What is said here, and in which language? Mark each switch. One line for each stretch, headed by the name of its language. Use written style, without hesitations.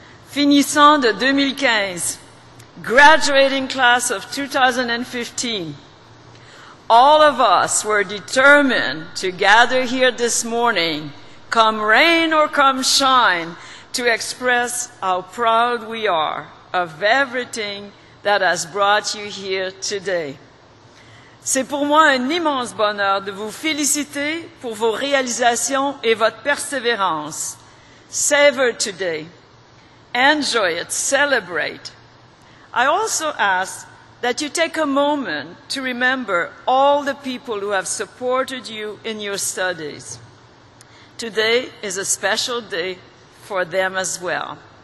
French: Finissant de 2015,
English: graduating class of 2015, all of us were determined to gather here this morning, come rain or come shine, to express how proud we are of everything that has brought you here today.
French: C'est pour moi un immense bonheur de vous féliciter pour vos réalisations et votre persévérance.
English: Savor today. Enjoy it. Celebrate. I also ask that you take a moment to remember all the people who have supported you in your studies. Today is a special day for them as well.